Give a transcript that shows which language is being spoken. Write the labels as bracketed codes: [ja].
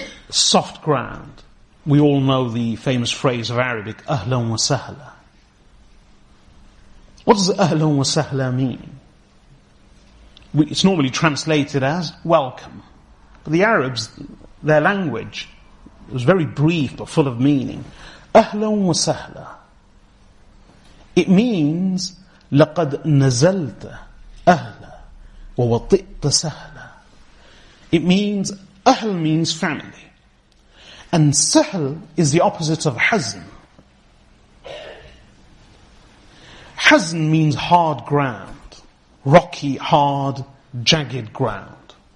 [en] Soft ground. We all know the famous phrase of Arabic, Ahlan wa sahla. What does Ahlan wa sahla mean? It's normally translated as welcome. But the Arabs, their language, was very brief but full of meaning. Ahlan wa sahla. It means [ar] لقد نزلت أهلا ووطئت سهلا. [en] It means أهل means family, and سهل is the opposite of حزن. حزن means hard ground, rocky, hard, jagged ground.